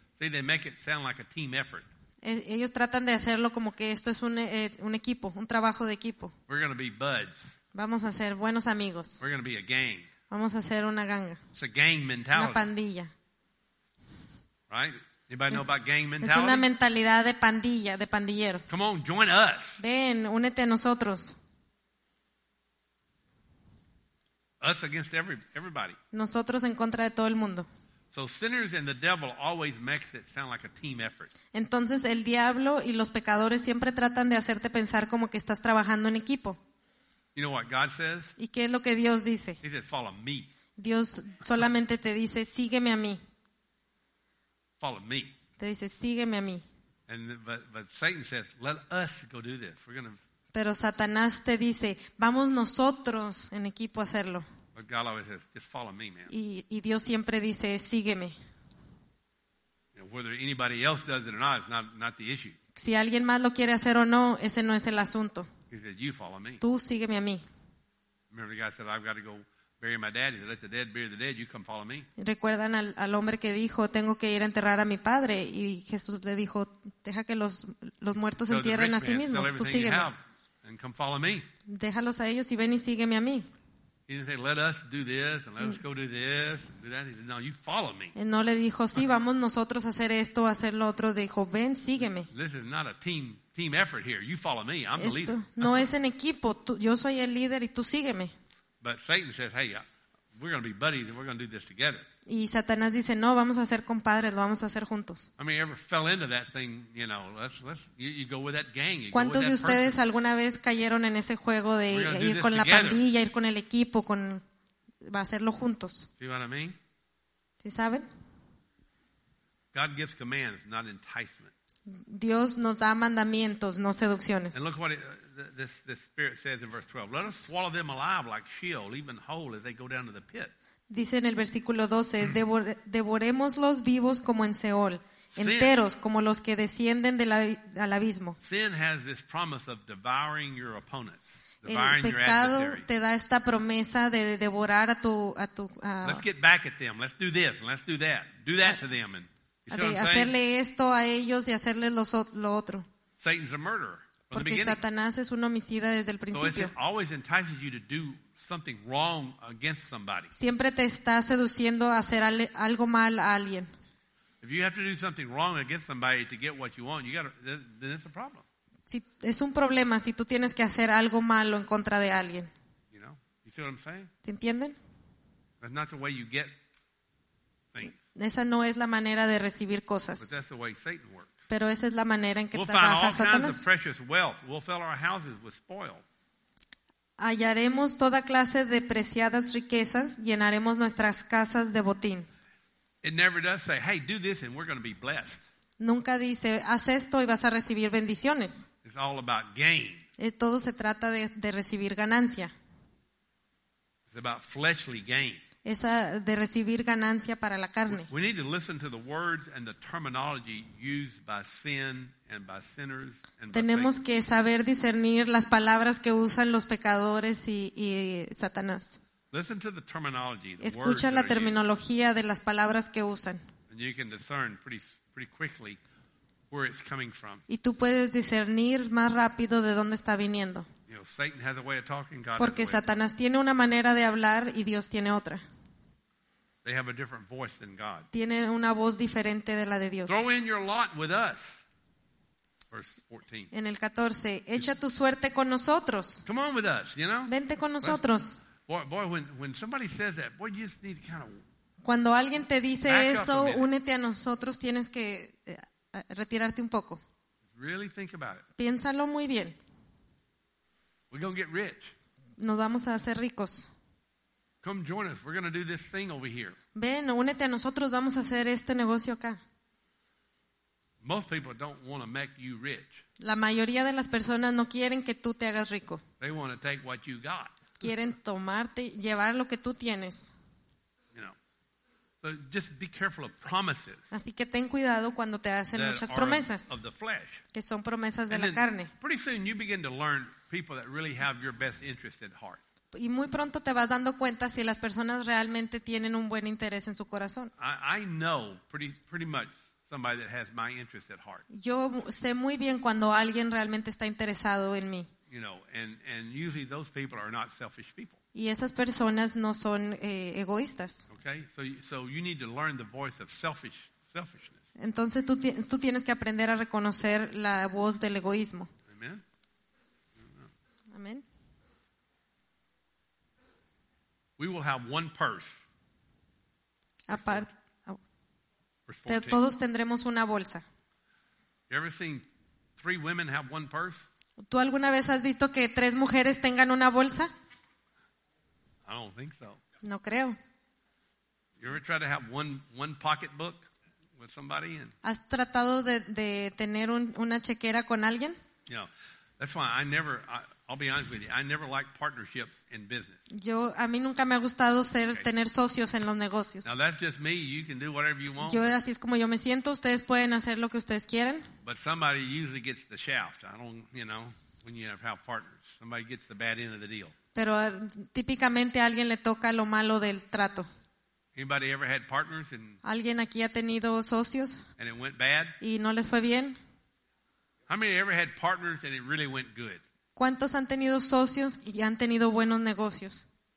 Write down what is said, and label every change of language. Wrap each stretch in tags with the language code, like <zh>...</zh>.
<en>See, they make it sound like a team effort.</en> <es>Ellos tratan de hacerlo como que esto es un equipo, un trabajo de equipo.</es> <en>We're gonna be buds.</en> <es>Vamos a ser buenos amigos.</es> <en>We're gonna be a gang.</en> <es>Vamos a ser una ganga.</es> <en>It's a gang mentality.</en> <es>Una pandilla.</es> <en>Right? Anybody know about gang mentality?</en> <es>Es una mentalidad de pandilla, de pandilleros.</es> <en>Come on, join us.</en> <es>Ven, únete a nosotros.</es> <en>Us against everybody.</en> <es>Nosotros en contra de todo el mundo.</es> <en>So sinners and the devil always make it sound like a team effort.</en> <es>Entonces el diablo y los pecadores siempre tratan de hacerte pensar como que estás trabajando en equipo.</es> <en>You know what God says?</en> <es>¿Y qué es lo que Dios dice?</es> <en>He says, "Follow me."</en> <es>Dios solamente te dice, "Sígueme a mí."</es> <en>Follow me.</en> <es>Te dice, "Sígueme a mí."</es> <en>And but Satan says, "Let us go do this. We're going to."</en> <es>Pero Satanás te dice, "Vamos nosotros en equipo a hacerlo."</es> <en>But God always says, "Just follow me, man."</en> <es>Y Dios siempre dice, sígueme.</es> <en>You know, whether anybody else does it or not is not the issue.</en> <es>Si alguien más lo quiere hacer o no, ese no es el asunto.</es> <en>He says, "You follow me."</en> <es>Tú sígueme a mí.</es> <en>Remember the guy said, I've got to go bury my daddy. Let the dead bury the dead. You come follow me.</en> <es>¿Recuerdan al hombre que dijo, tengo que ir a enterrar a mi padre? Y Jesús le dijo, deja que los muertos</es> <en>so</en> <es>entierren a sí mismos. Tú sígueme.</es> <en>And come follow me.</en> <es>Déjalos a ellos y ven y sígueme a mí.</es> <en>He didn't say, let us do this and let us go do this and do that. He said, no, you follow me.</en> <es>No le dijo, sí, vamos nosotros a hacer esto, hacer lo otro. Dijo, ven, sígueme.</es> <en>This is not a team effort here. You follow me. I'm</en> <es>esto</es> <en>the leader.</en> <es>No es en equipo. Yo soy el líder y tú sígueme.</es> <en>But Satan says, hey, we're going to be buddies and we're going to do this together.</en> <es>Y Satanás dice, no, vamos a ser compadres, lo vamos a hacer juntos.</es> <en>I mean, you ever fell into that thing, you know, you go with that gang.</en> <es>¿Cuántos de ustedes alguna vez cayeron en ese juego de ir con la pandilla, ir con el equipo, va a hacerlo juntos?</es> <en>See what I mean?</en> <es>¿Sí saben?</es> <en>God gives commands, not enticement.</en> <es>Dios nos da mandamientos, no seducciones.</es> <en>And look what this spirit says in verse 12. Let us swallow them alive like Sheol, even whole as they go down to the pit.</en> <es>Dice en el versículo 12, devorémoslos vivos como en Seol, enteros, sin, como los que descienden al abismo.</es> <en>Sin has this promise of devouring your opponents, devouring</en> <es>el pecado</es> <en>your adversaries.</en> <es>Te da esta promesa de devorar a tu</es> <en>let's get back at them, let's do this, let's do that, do that to them. And,</en> <es>de hacerle esto a ellos y hacerle lo otro.</es> <en>Satan's a murderer from</en> <es>porque</es> <en>the beginning.</en> <es>Satanás es un homicida desde el principio.</es> <en>So it always entices you to do something wrong against somebody.</en> <es>Siempre te está seduciendo a hacer algo mal a alguien.</es> <en>If you have to do something wrong against somebody to get what you want, then it's a problem.</en> <es>Si es un problema si tú tienes que hacer algo malo en contra de alguien.</es> <en>You know, you see what I'm saying?</en> <es>¿Te entienden?</es> <en>That's not the way you get things.</en> <es>Esa no es la manera de recibir cosas.</es> <en>But that's the way Satan works.</en> <es>Pero esa es la manera en que trabaja Satanás.</es> <en>We'll find all kinds of precious wealth. We'll fill our houses with spoil.</en> <es>Hallaremos toda clase de preciadas riquezas, llenaremos nuestras casas de botín.</es> <en>It never does say, hey, do this and we're going to be blessed.</en> <es>Nunca dice, haz esto y vas a recibir bendiciones.</es> <en>It's all about gain.</en> <es>Todo se trata de recibir ganancia.</es> <en>It's about fleshly gain.</en> <es>Es de recibir ganancia para la carne.</es> <en>We need to listen to the words and the terminology used by sin and by sinners and</en> <es>tenemos</es> <en>by</en> <es>que saber discernir las palabras que usan los pecadores y Satanás.</es> <en>Listen to the terminology, the</en> <es>escucha</es> <en>words</en> <es>la terminología de las palabras que usan.</es> <en>And you can discern pretty quickly where it's coming from.</en> <es>Y tú puedes discernir más rápido de dónde está viniendo.</es> <en>You know, Satan has a way of talking, God</en> <es>porque</es> <en>has</en> <es>Satanás</es> <en>a way of</en> <es>tiene una manera de hablar y Dios tiene otra.</es> <en>They have a different voice than God.</en> <es>Tiene una voz diferente de la de Dios.</es> <en>Throw in your lot with us. Verse 14.</en> <es>En el 14, echa tu suerte con nosotros.</es> <en>Come on with us, you know?</en> <es>Vente con nosotros.</es> <en>Boy, when somebody says that, boy, you just need to kind of</en> <es>cuando alguien te dice eso, únete a nosotros, tienes que retirarte un poco.</es> <en>Really think about it.</en> <es>Piénsalo muy bien.</es> <en>We're going to get rich.</en> <es>Nos vamos a hacer ricos.</es> <en>Come join us. We're going to do this thing over here.</en> <es>Ven, únete a nosotros, vamos a hacer este negocio acá.</es> <en>Most people don't want to make you rich.</en> <es>La mayoría de las personas no quieren que tú te hagas rico.</es> <en>They want to take what you got.</en> <es>Quieren tomarte, llevar lo que tú tienes.</es> <en>You know. So just be careful of promises.</en> <es>Así que ten cuidado cuando te hacen muchas promesas.</es> <en>Of the flesh.</en> <es>Que son promesas de</es> <en>and</en> <es>la carne.</es> <en>Pretty soon you begin to learn people that really have your best interest at heart.</en> <es>Y muy pronto te vas dando cuenta si las personas realmente tienen un buen interés en su corazón.</es> <en>I know pretty much somebody that has my interest at heart.</en> <es>Yo sé muy bien cuando alguien realmente está interesado en mí.</es> <en>You know, and usually those people are not selfish people.</en> <es>Y esas personas no son egoístas.</es> <en>Okay, so you need to learn the voice of selfishness.</en> <es>Entonces tú tienes que aprender a reconocer la voz del egoísmo.</es> <en>Amen.</en> <es>Amen.</es> <en>We will have one purse.</en> <es>Aparte. Todos tendremos una bolsa.</es> <en>You ever seen three women have one purse?</en> <es>¿Tú alguna vez has visto que tres mujeres tengan una bolsa?</es> <en>I don't think so.</en> <es>No creo.</es> <en>You ever try to have one pocketbook with somebody?</en> <es>¿Has tratado de tener una chequera con alguien?</es> <en>Yeah, that's why I'll be honest with you. I never liked partnerships in business.</en> <es>Yo a mí nunca me ha gustado tener socios en los negocios.</es> <en>Now that's just me. You can do whatever you want.</en> <es>Yo así es como yo me siento. Ustedes pueden hacer lo que ustedes quieran.</es> <en>But somebody usually gets the shaft. I don't, you know, when you have partners, somebody gets the bad end of the deal.</en> <es>Pero típicamente a alguien le toca lo malo del trato.</es> <en>Anybody ever had partners and,</en> <es>¿alguien aquí ha tenido socios?</es> <en>And it went bad?</en> <es>¿Y no les fue bien?</es> <en>How many ever had partners and it really went good?</en> <es>¿Cuántos han tenido socios y han tenido buenos negocios?</es>